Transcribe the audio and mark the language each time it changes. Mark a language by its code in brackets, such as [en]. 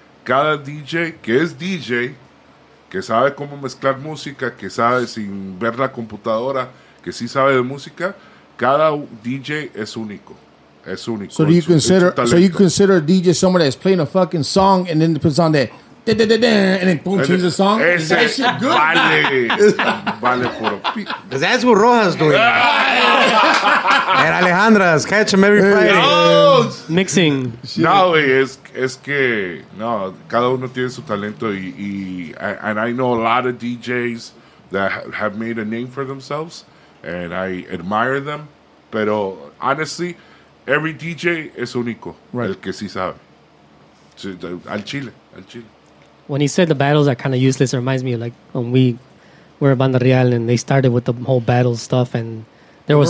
[es] cada DJ que es DJ, que sabe cómo mezclar música, que sabe sin ver la computadora, que sí sabe de música, cada DJ es único. Es único. [en] So you consider DJ someone that's playing a fucking song and then puts on that and then boom, changes the song? Is that shit good? [es] Vale. Vale puro. [en] Because that's what Rojas doing. And Alejandra's catch him every Friday. No. Mixing. [es] No, güey, es que, no, cada uno tiene su talento. [en] And I know a lot of DJs that have made a name for themselves, and I admire them. [es] Pero [en] honestly, every DJ [es] es único. [en] Right. [es] El que sí sabe. Al Chile. [en] When he said the battles are kind of useless, it reminds me of like when we were a Banda Real and they started with the whole battle stuff and there was